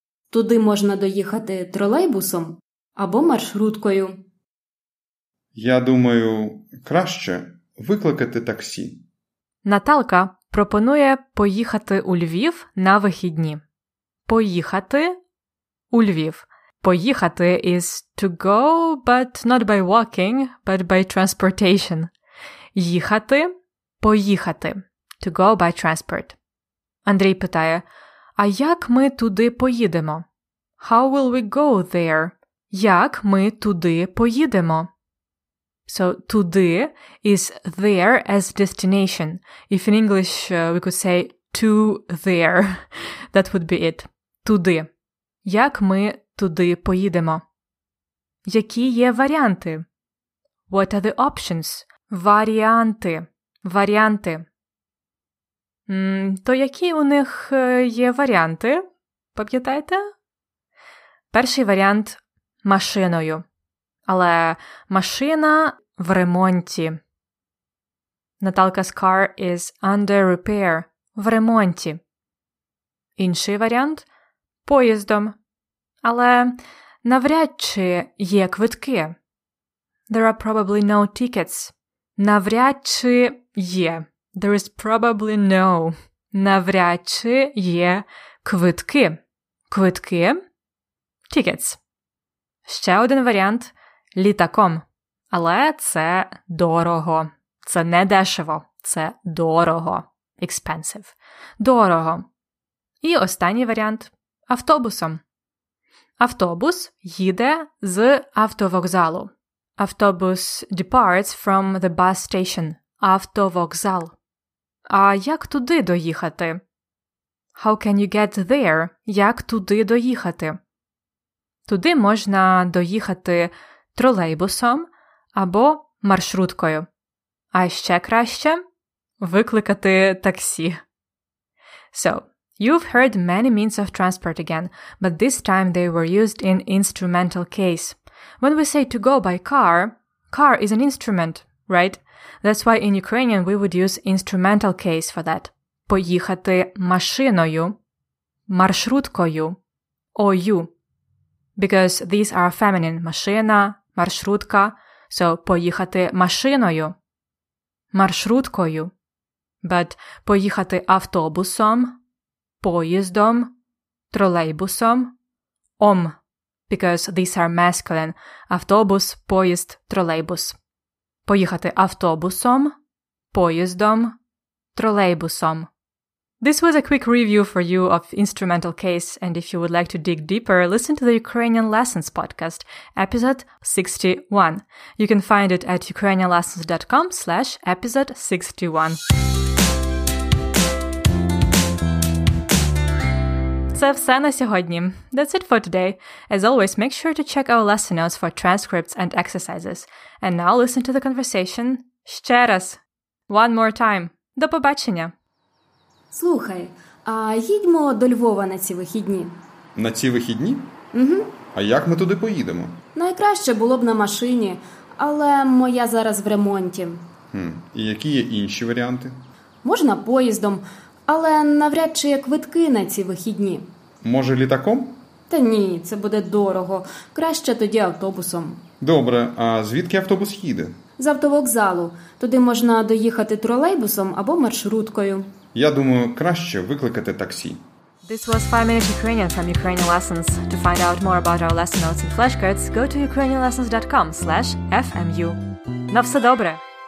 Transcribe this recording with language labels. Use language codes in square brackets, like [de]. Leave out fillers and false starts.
[uk] Туди можна доїхати тролейбусом або маршруткою. Я думаю, краще викликати таксі. Наталка пропонує поїхати у Львів на вихідні. Поїхати у Львів. [en] Поїхати is to go, but not by walking, but by transportation. [uk] Їхати – поїхати. [en] To go by transport. [uk] Андрій питає, а як ми туди поїдемо? [en] How will we go there? [uk] Як ми туди поїдемо? [en] So, туди is there as destination. If in English we could say to there, that would be it. [uk] Туди. Як ми туди поїдемо? Які є варіанти? [en] What are the options? [uk] Варіанти. Варіанти. То які у них є варіанти? Пам'ятаєте? Перший варіант – машиною. Але машина в ремонті. [en] Наталка's car is under repair. [uk] В ремонті. Інший варіант – поїздом. Але навряд чи є квитки. [en] There are probably no tickets. [uk] Навряд чи є. [en] There is probably no. [uk] Навряд чи є квитки. Квитки – tickets. Ще один варіант – літаком. Але це дорого. Це не дешево. Це дорого. Expensive. Дорого. І останній варіант – автобусом. Автобус їде з автовокзалу. [en] Автобус departs from the bus station. [uk] Автовокзал. А як туди доїхати? [en] How can you get there? [uk] Як туди доїхати? Туди можна доїхати тролейбусом або маршруткою. А ще краще – викликати таксі. [en] So, you've heard many means of transport again, but this time they were used in instrumental case. When we say to go by car, car is an instrument, right? That's why in Ukrainian we would use instrumental case for that. [uk] Поїхати машиною, маршруткою, ою. [en] Because these are feminine, машина, маршрутка. So, [uk] поїхати машиною, маршруткою. But поїхати автобусом, поїздом, тролейбусом, ом. [en] Because these are masculine. [uk] Автобус, поїзд, тролейбус. Поїхати автобусом, поїздом, тролейбусом. [en] This was a quick review for you of Instrumental Case, and if you would like to dig deeper, listen to the Ukrainian Lessons podcast, episode 61. You can find it at ukrainianlessons.com/episode61. [uk] Це все на сьогодні. [en] That's it for today. As always, make sure to check our lesson notes for transcripts and exercises. And now listen to the conversation [uk] ще раз. [en] One more time. [uk] До побачення. Слухай, а їдьмо до Львова на ці вихідні? На ці вихідні? Угу. А як ми туди поїдемо? Найкраще було б на машині, але моя зараз в ремонті. І які є інші варіанти? Можна поїздом, але навряд чи є квитки на ці вихідні. Може літаком? Та ні, це буде дорого. Краще тоді автобусом. Добре, а звідки автобус їде? З автовокзалу. Туди можна доїхати тролейбусом або маршруткою. Я думаю, краще викликати таксі. [en] This was 5-Minute Ukrainian from Ukrainian Lessons. To find out more about our lesson notes and flashcards, go to ukrainianlessons.com/fmu. [uk] На все добре!